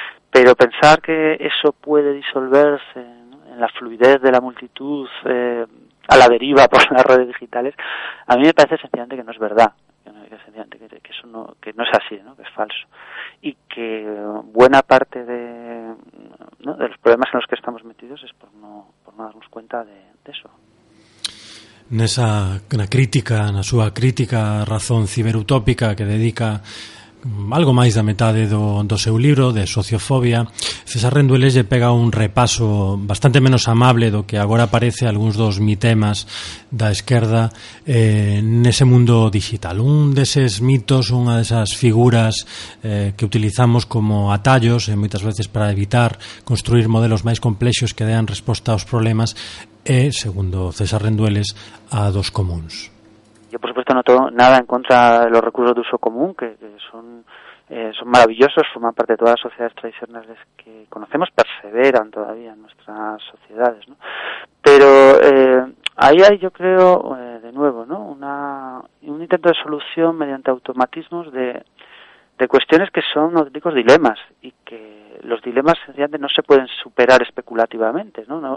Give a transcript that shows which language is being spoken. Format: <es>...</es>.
<es>Pero pensar que eso puede disolverse, ¿no?, en la fluidez de la multitud a la deriva por las redes digitales, a mí me parece sencillamente que no es verdad, que eso no, que no es así, ¿no?, que es falso, y que buena parte de, ¿no?, de los problemas en los que estamos metidos es por no darnos cuenta de eso.</es> <gl>Nesa na crítica, na súa crítica a razón ciberutópica que dedica algo máis da metade do seu libro de sociofobia, César Rendueles lle pega un repaso bastante menos amable do que agora parece algúns dos mitemas da esquerda nese mundo digital. Un deses mitos, unha desas figuras que utilizamos como atallos moitas veces para evitar construir modelos máis complexos que dean resposta aos problemas, e, segundo César Rendueles, a dos comuns.</gl> <es>Yo, por supuesto, no tengo nada en contra de los recursos de uso común, que son maravillosos, forman parte de todas las sociedades tradicionales que conocemos, perseveran todavía en nuestras sociedades, ¿no? Pero ahí hay, yo creo, de nuevo, ¿no?, un intento de solución mediante automatismos de cuestiones que son auténticos dilemas, y que los dilemas sencillamente no se pueden superar especulativamente, ¿no?</es>